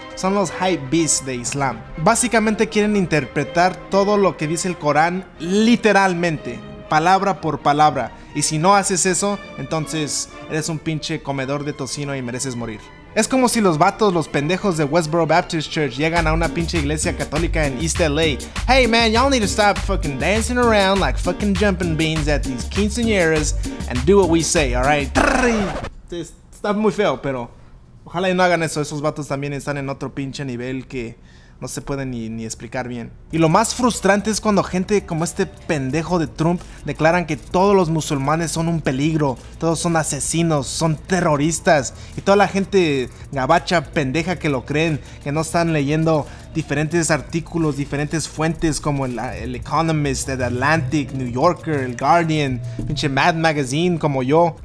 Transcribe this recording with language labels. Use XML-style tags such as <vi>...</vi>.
<es>Son los hype beasts de Islam. Básicamente quieren interpretar todo lo que dice el Corán literalmente, palabra por palabra. Y si no haces eso, entonces eres un pinche comedor de tocino y mereces morir. Es como si los vatos, los pendejos de Westboro Baptist Church llegan a una pinche iglesia católica en East LA.</es> <en>Hey man, y'all need to stop fucking dancing around like fucking jumping beans at these quinceañeras and do what we say, alright?</en> <es>Está muy feo, pero ojalá y no hagan eso. Esos vatos también están en otro pinche nivel que no se puede ni explicar bien. Y lo más frustrante es cuando gente como este pendejo de Trump declaran que todos los musulmanes son un peligro, todos son asesinos, son terroristas, y toda la gente gabacha, pendeja que lo creen, que no están leyendo diferentes artículos, diferentes fuentes como el Economist, el Atlantic, New Yorker, el Guardian, pinche Mad Magazine como yo.</es>